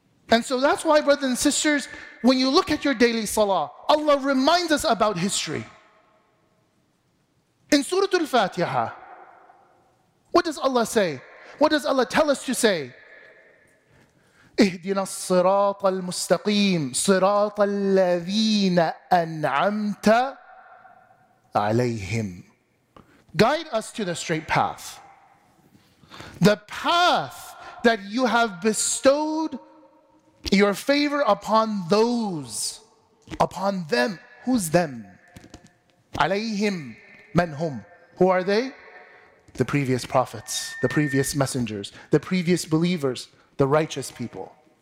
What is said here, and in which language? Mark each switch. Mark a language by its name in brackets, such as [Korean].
[English] And so that's why, brothers and sisters, when you look at your daily salah, Allah reminds us about history. In Surah Al-Fatiha, what does Allah say? What does Allah tell us to say? [Arabic] اهدنا الصراط المستقيم صراط الذين أنعمت عليهم. [English] Guide us to the straight path. The path that you have bestowed your favor upon those, upon them. Who's them? Alayhim, men whom? Who are they? the previous prophets, the previous messengers, the previous believers, the righteous people.